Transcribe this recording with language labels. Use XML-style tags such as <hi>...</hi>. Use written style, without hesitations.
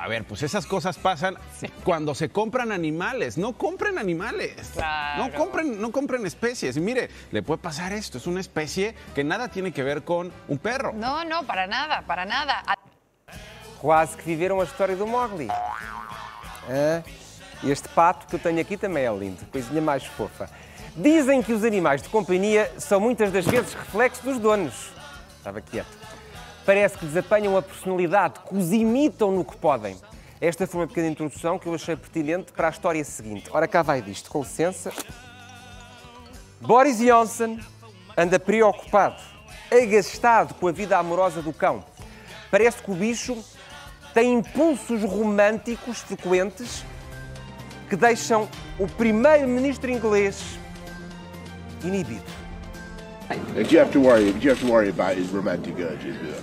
<es>A ver, pues esas cosas pasan cuando se compran animales. No compren animales. Claro. No compren especies. Y mire, le puede pasar esto. Es una especie que nada tiene que ver con un perro. No, no, para nada, para nada. Quase que vivieron la historia de Mowgli.</es> <pt>Este pato que eu tenho aqui também é lindo, coisinha mais fofa. Dizem que os animais de companhia são muitas das vezes reflexo dos donos. Estava quieto. Parece que lhes apanham a personalidade, que os imitam no que podem. Esta foi uma pequena introdução que eu achei pertinente para a história seguinte. Ora, cá vai disto, com licença. Boris Johnson anda preocupado, agastado com a vida amorosa do cão. Parece que o bicho tem impulsos românticos frequentes que deixam o primeiro-ministro inglês inibido.</pt> <en>Do you have to worry? Do you have to worry about his romantic urges?</en>